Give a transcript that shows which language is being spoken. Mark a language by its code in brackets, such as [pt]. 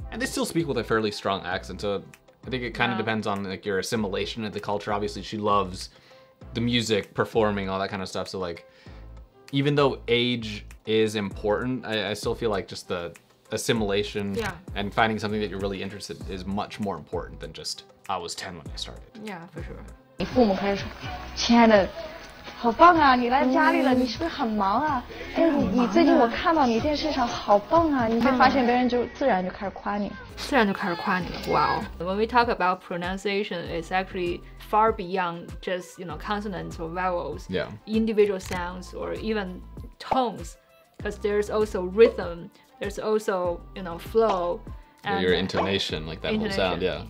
[en] And they still speak with a fairly strong accent. So I think it kind of depends on like your assimilation of the culture. Obviously she loves the music, performing, all that kind of stuff. So like, even though age is important, I still feel like just the... assimilation and finding something that you're really interested in is much more important than just I was 10 when I started. Yeah, for sure. [zh] 你父母开始说，亲爱的，好棒啊！你来家里了，你是不是很忙啊？哎，你最近我看到你电视上好棒啊！你会发现别人就自然就开始夸你，自然就开始夸你了。Wow. [en] When we talk about pronunciation, it's actually far beyond just you know consonants or vowels. Yeah. Individual sounds or even tones, because there's also rhythm. There's also, you know, flow. And your intonation, like that intonation. Whole sound, yeah.